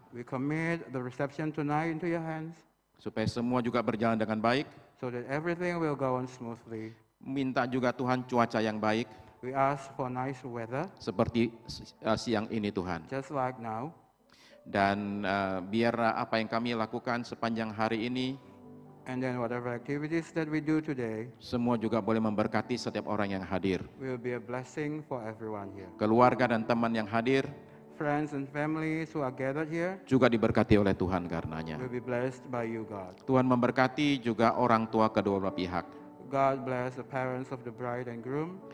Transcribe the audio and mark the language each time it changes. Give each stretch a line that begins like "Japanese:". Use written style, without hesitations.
English: We commit the reception tonight into your hands.
Indonesian: Supaya semua juga berjalan dengan baik.
English: So that everything will go on smoothly.
Indonesian: Minta juga Tuhan cuaca yang baik.
English: We ask for nice weather.
Indonesian: Seperti siang ini Tuhan.
English: Just like now.
Indonesian: Dan biar apa yang kami lakukan sepanjang hari ini,
English: and then whatever activities that we do today,
Indonesian: semua juga boleh memberkati setiap orang yang hadir,
English: will be a blessing for everyone here.
Indonesian: Keluarga dan teman yang hadir,
English: friends and families who are gathered here,
Indonesian: juga diberkati oleh Tuhan karenanya.
English: Will be blessed by you, God.
Indonesian: Tuhan memberkati juga orang tua kedua belah pihak.
English: God bless the parents of the bride and groom.